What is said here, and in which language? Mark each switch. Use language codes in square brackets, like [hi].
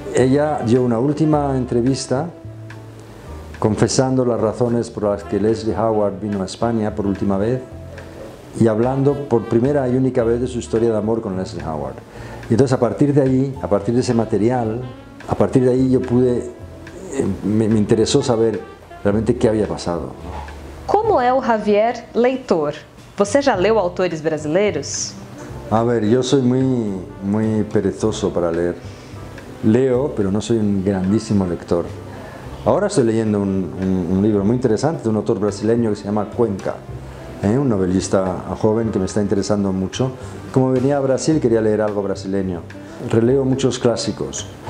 [es] Ella dio una última entrevista confesando las razones por las que Leslie Howard vino a España por última vez y hablando por primera y única vez de su historia de amor con Leslie Howard. Y entonces a partir de ahí, a partir de ese material, a partir de ahí yo pude, me interesó saber realmente qué había pasado. ¿Cómo es Javier leitor? [pt] ¿Você ya leu autores brasileiros? [es] A ver, yo soy muy perezoso para leer. leo, pero no soy un grandísimo lector. Ahora estoy leyendo un libro muy interesante de un autor brasileño que se llama Cuenca, un novelista joven que me está interesando mucho. Como venía a Brasil, quería leer algo brasileño. Releo muchos clásicos.